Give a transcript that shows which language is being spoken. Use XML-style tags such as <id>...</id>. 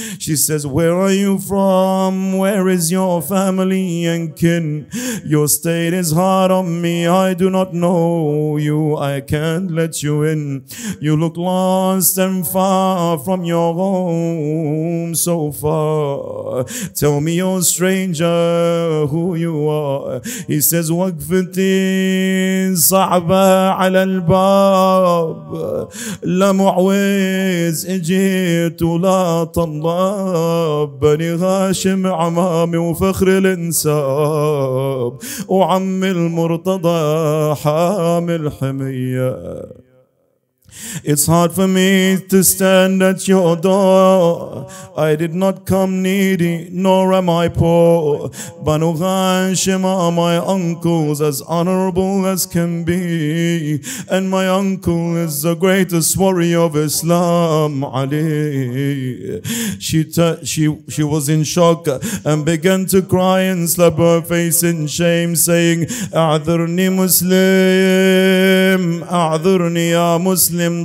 <en>She says, where are you from? Where is your family and kin? Your state is hard on me. I do not know you. I can't let you in. You look lost and far from your home so far. Tell me, oh stranger, who you are.</en> <ar>He says, وقفتي صعبة على الباب لا معوز اجيت ولا طلاب بني هاشم عمامي وفخر الانساب وعم المرتضى حامل حمية</ar> <en>It's hard for me to stand at your door. I did not come needy, nor am I poor. Banu Hashim are my uncles, as honorable as can be. And my uncle is the greatest warrior of Islam, Ali. She was in shock and began to cry and slap her face in shame, saying,</en> <ar>A'adhirni Muslim, A'adhirni ya Muslim.</ar>